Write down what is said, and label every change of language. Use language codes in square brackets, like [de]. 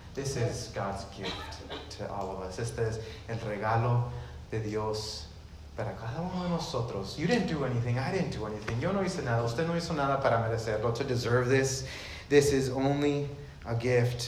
[en] This is God's gift to all of us. [es] Este es el regalo de Dios para cada uno de nosotros. [en] You didn't do anything. [es] I didn't do anything. Yo no hice nada. Usted no hizo nada para merecerlo. [en] To deserve this, this is only a gift.